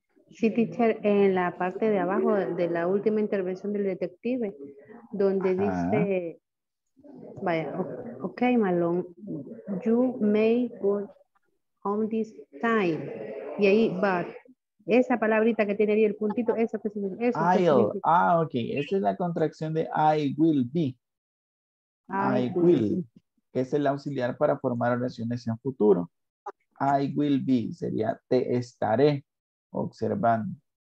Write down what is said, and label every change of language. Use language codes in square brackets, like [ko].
[es] Sí, teacher, en la parte de abajo de la última intervención del detective, donde ajá. Dice, vaya, [en] ok, Malone, you may go home this time. [es] Y ahí va, esa palabrita que tiene ahí el puntito, eso que significa. Eso [en] I'll, [es] ah, ok, esa es la contracción de [en] I will be. I will, [es] que es el auxiliar para formar oraciones en futuro. [en] I will be, [es] sería te estaré. Observando.